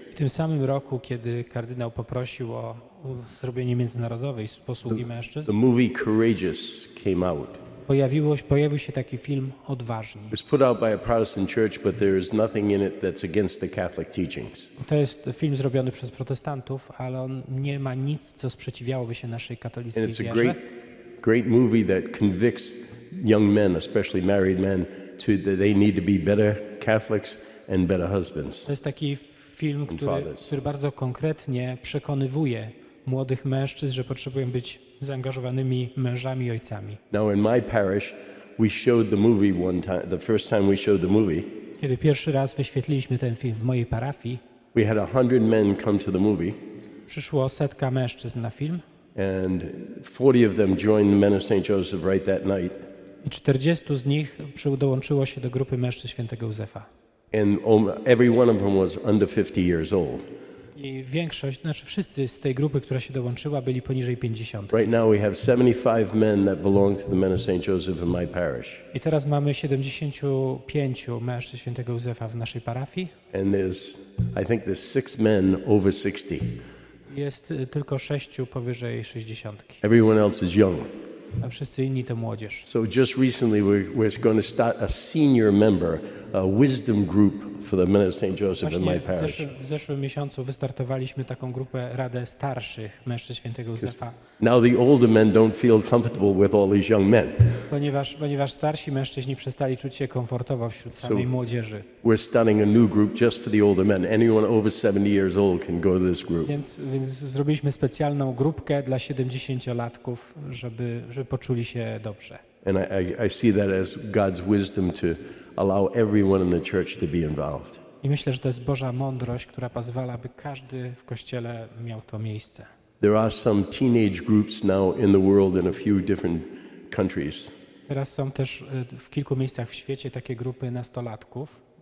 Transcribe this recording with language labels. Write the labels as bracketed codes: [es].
[pl] W tym samym roku, kiedy kardynał poprosił o zrobienie międzynarodowej posługi mężczyzn, [en] the movie Courageous came out. [pl] Pojawił się taki film Odważni. [en] It was put out by a Protestant church, but there is nothing in it that's against the Catholic teachings. [pl] To jest film zrobiony przez protestantów, ale on nie ma nic, co sprzeciwiałoby się naszej katolickiej wierze. [en] And it's a great movie that convicts young men, especially married men, to that they need to be better Catholics and better husbands. [pl] To jest taki film, który bardzo konkretnie przekonywuje młodych mężczyzn, że potrzebują być zaangażowanymi mężami i ojcami. [en] Now in my parish we showed the movie one time, the first time we showed the movie. [pl] Kiedy pierwszy raz wyświetliliśmy ten film w mojej parafii, [en] we had 100 men come to the movie. [pl] Przyszło setka mężczyzn na film. [en] And 40 of them joined the men of St. Joseph right that night. [pl] I 40 z nich dołączyło się do grupy mężczyzn Świętego Józefa. [en] And every one of them was under 50 years old. [pl] I większość, znaczy wszyscy z tej grupy, która się dołączyła, byli poniżej 50. [en] Right now we have 75 men that belong to the men of St. Joseph in my parish. [pl] I teraz mamy 75 mężczyzn Świętego Józefa w naszej parafii. [en] And there's, I think there's 6 men over 60. [pl] Jest tylko 6 powyżej 60. [en] Everyone else is young. [pl] A wszyscy inni to młodzież. [en] So just recently we're going to start a senior member, a wisdom group for the men of St. Joseph in my parish. [pl] W zeszłym miesiącu wystartowaliśmy taką grupę, radę starszych mężczyzn Świętego Józefa. [en] Now the older men don't feel comfortable with all these young men. [pl] Ponieważ starsi mężczyźni przestali czuć się komfortowo wśród samej młodzieży. [en] We're starting a new group just for the older men. Anyone over 70 years old can go to this group. [pl] Więc zrobiliśmy specjalną grupkę dla 70-latków, żeby poczuli się dobrze. [en] And I see that as God's wisdom to allow everyone in the church to be involved. [pl] I myślę, że to jest Boża mądrość, która pozwala, by każdy w kościele miał to miejsce. [en] There are some teenage groups now in the world in a few different countries. [pl] Teraz są też w kilku miejscach w świecie takie grupy nastolatków.